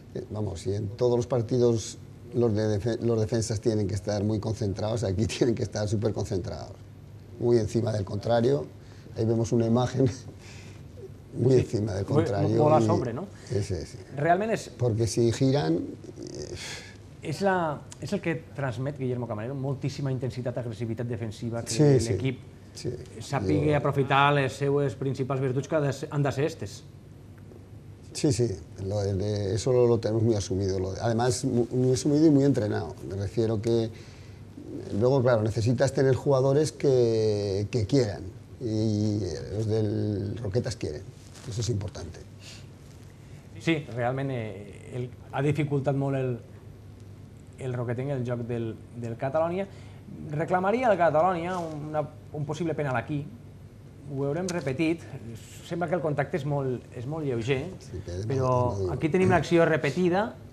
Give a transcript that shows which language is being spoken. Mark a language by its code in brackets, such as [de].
[es] vamos, y en todos los partidos los defensas tienen que estar muy concentrados, aquí tienen que estar súper concentrados, muy encima del contrario. Ahí vemos una imagen muy sí, encima del contrario. Bola sobre, ¿no? Sí. Realmente es... Porque si giran... [ca] És el que transmet Guillermo Camarero, moltíssima intensitat, agressivitat defensiva, que l'equip sàpiga aprofitar les seues principals virtuts que han de ser aquestes. [es] Sí, eso lo tenemos muy asumido. Además, muy asumido y muy entrenado. Me refiero que... Luego, claro, necesitas tener jugadores que quieran. Y los del Roquetas quieren. Eso es importante. [ca] Sí, realment ha dificultat molt el Roqueting, el joc del Catalunya. Reclamaria el Catalunya un possible penal aquí. Ho haurem repetit. Sembla que el contacte és molt lleuger, sí, però aquí tenim l'acció repetida.